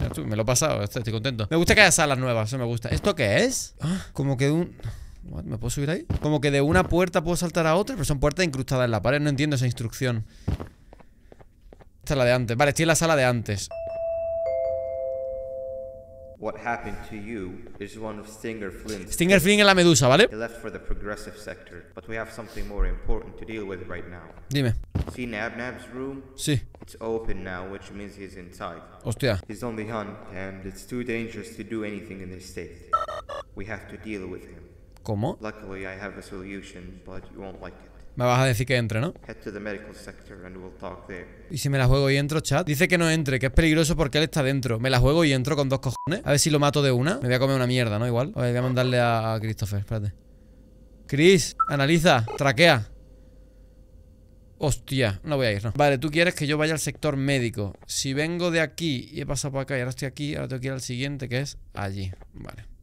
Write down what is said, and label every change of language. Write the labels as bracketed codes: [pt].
[es] Ya, me lo he pasado, estoy contento. Me gusta que haya salas nuevas, eso me gusta. ¿Esto qué es? Ah, como que un... What, ¿me puedo subir ahí? Como que de una puerta puedo saltar a otra, pero son puertas incrustadas en la pared. No entiendo esa instrucción. Esta es la de antes. Vale, estoy en la sala de antes. [en] What happened to you is one of Stinger Flynn's. [es] Stinger Flynn es la medusa, ¿vale? [en] He left for the progressive sector, but we have something more important to deal with right now. [es] Dime. [en] See Nab's room? [es] Sí. [en] It's open now, which means he's inside. [es] Hostia. [en] He's on the hunt, and it's too dangerous to do anything in this state. We have to deal with him. [es] ¿Cómo? [en] Luckily, I have a solution, but you won't like it. [es] Me vas a decir que entre, ¿no? [en] Head to the medical sector and we'll talk there. [es] ¿Y si me la juego y entro, chat? Dice que no entre, que es peligroso porque él está dentro. Me la juego y entro con dos cojones. A ver si lo mato de una. Me voy a comer una mierda, ¿no? Igual. Voy a mandarle a Christopher, espérate. Chris, analiza, traquea. Hostia, no voy a ir, ¿no? Vale, tú quieres que yo vaya al sector médico. Si vengo de aquí y he pasado por acá y ahora estoy aquí, ahora tengo que ir al siguiente, que es allí. Vale.